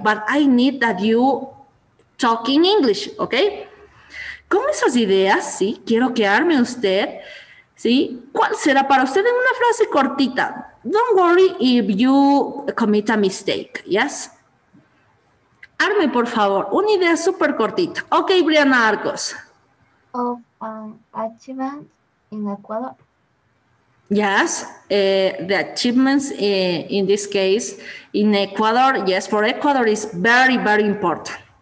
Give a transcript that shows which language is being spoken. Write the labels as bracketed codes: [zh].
[en] But I need that you talk in English, ¿ok? [es] Con esas ideas, sí, quiero que arme usted. ¿Sí? ¿Cuál será para usted en una frase cortita? [en] Don't worry if you commit a mistake, yes? [es] Arme, por favor, una idea súper cortita. Ok, Brianna Arcos. [en] Of an achievement in Ecuador. Yes, the achievements in this case in Ecuador, yes, for Ecuador is very, very important.